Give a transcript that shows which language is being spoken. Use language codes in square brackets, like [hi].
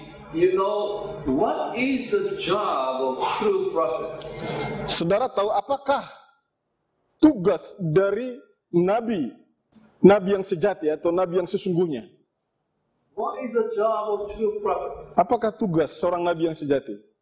[en] You know what is the job of true prophet? [id] Saudara tahu apakah tugas dari nabi yang sejati atau nabi yang sesungguhnya? [en] What is the job of true prophet? [id] Apakah tugas seorang nabi yang sejati?